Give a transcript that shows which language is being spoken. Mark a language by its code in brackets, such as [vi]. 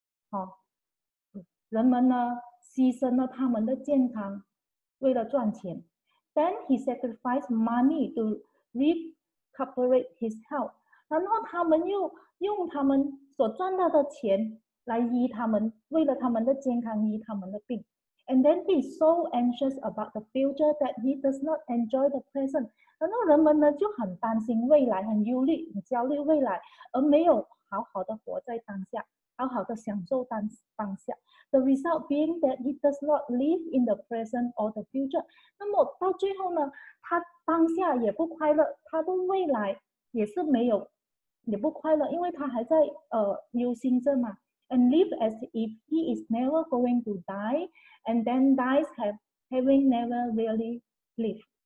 [zh] 哦，人们呢牺牲了他们的健康为了赚钱。 [en] Then he sacrificed money to recuperate his health。 [zh] 然后他们又用他们所赚到的钱来医他们，为了他们的健康医他们的病。 [en] And then he's so anxious about the future that he does not enjoy the present. [zh] 然后人们呢就很担心未来，很忧虑，很焦虑未来，而没有好好的活在当下，好好的享受当下。 [en] The result being that he does not live in the present or the future. [zh] 那么到最后呢，他当下也不快乐，他的未来也是没有，也不快乐，因为他还在忧心症嘛。 [en] And live as if he is never going to die, and then dies having never really lived.